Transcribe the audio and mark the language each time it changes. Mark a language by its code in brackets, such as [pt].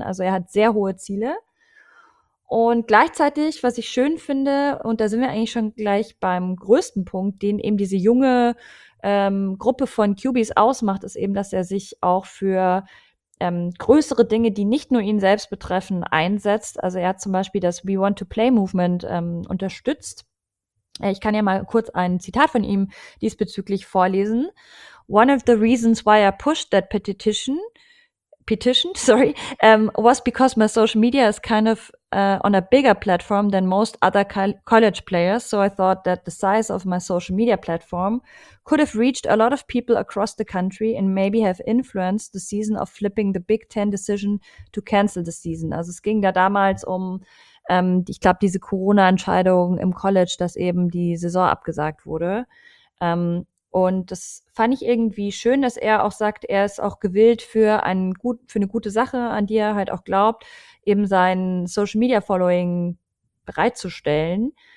[de] Also er hat sehr hohe Ziele. Und gleichzeitig, was ich schön finde, und da sind wir eigentlich schon gleich beim größten Punkt, den eben diese junge Gruppe von QBs ausmacht, ist eben, dass er sich auch für größere Dinge, die nicht nur ihn selbst betreffen, einsetzt. Also er hat zum Beispiel das We Want to Play Movement unterstützt. Ich kann ja mal kurz ein Zitat von ihm diesbezüglich vorlesen. [en] One of the reasons why I pushed that petition, was because my social media is kind of on a bigger platform than most other college players. So I thought that the size of my social media platform could have reached a lot of people across the country and maybe have influenced the season of flipping the Big Ten decision to cancel the season. [de] Also es ging da damals um, ich glaube, diese Corona-Entscheidung im College, dass eben die Saison abgesagt wurde. Und das fand ich irgendwie schön, dass er auch sagt, er ist auch gewillt für eine gute Sache, an die er halt auch glaubt, eben sein Social-Media-Following bereitzustellen.